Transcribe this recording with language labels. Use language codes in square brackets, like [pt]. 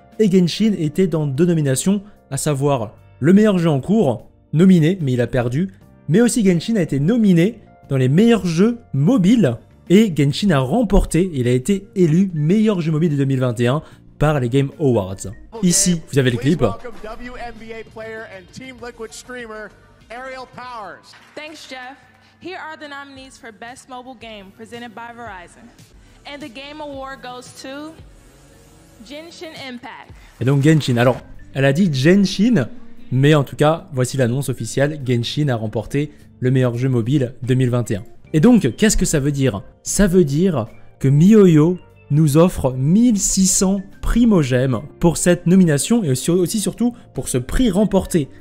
[fr] et Genshin était dans deux nominations, à savoir le meilleur jeu en cours, nominé mais il a perdu, mais aussi Genshin a été nominé dans les meilleurs jeux mobiles, et Genshin a remporté, il a été élu meilleur jeu mobile de 2021, par les Game Awards. Ici, vous avez le clip. [en] WNBA player and Team Liquid streamer Ariel Powers. Thanks Jeff. Here are the nominees for best mobile game presented by Verizon. And the game award goes to Genshin Impact. [fr] Et donc Genshin. Alors, elle a dit Genshin, mais en tout cas, voici l'annonce officielle, Genshin a remporté le meilleur jeu mobile 2021. Et donc, qu'est-ce que ça veut dire? Ça veut dire que miHoYo nous offre 1600 primogèmes pour cette nomination et aussi surtout pour ce prix remporté.